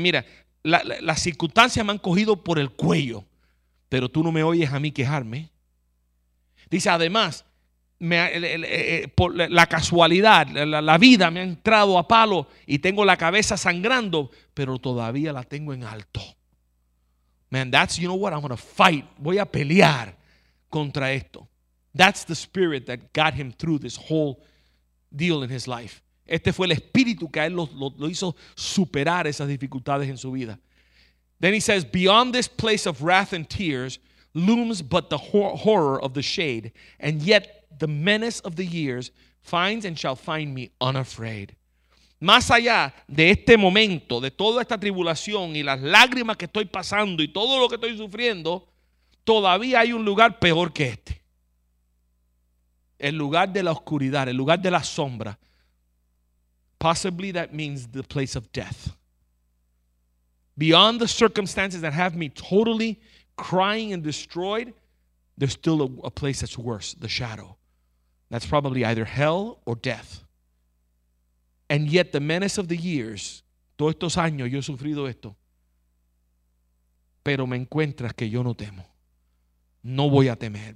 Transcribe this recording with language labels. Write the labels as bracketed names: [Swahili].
[Spanish] Mira, las circunstancias me han cogido por el cuello, pero tú no me oyes a mí quejarme. Dice, además, la casualidad, la vida me ha entrado a palo y tengo la cabeza sangrando, pero todavía la tengo en alto. [English] Man, that's, you know what, I'm going to fight. [Spanish] Voy a pelear contra esto. [English] That's the spirit that got him through this whole deal in his life. [Spanish] Este fue el espíritu que a él lo hizo superar esas dificultades en su vida. [English] Then he says, beyond this place of wrath and tears looms but the horror of the shade, and yet the menace of the years finds and shall find me unafraid. [Spanish] más allá de este momento, de toda esta tribulación y las lágrimas que estoy pasando y todo lo que estoy sufriendo, todavía hay un lugar peor que este. El lugar de la oscuridad, el lugar de la sombra. [English] Possibly that means the place of death. Beyond the circumstances that have me totally crying and destroyed, there's still a place that's worse, the shadow. That's probably either hell or death. And yet the menace of the years, [Spanish] todos estos años yo he sufrido esto, pero me encuentras que yo no temo. No voy a temer.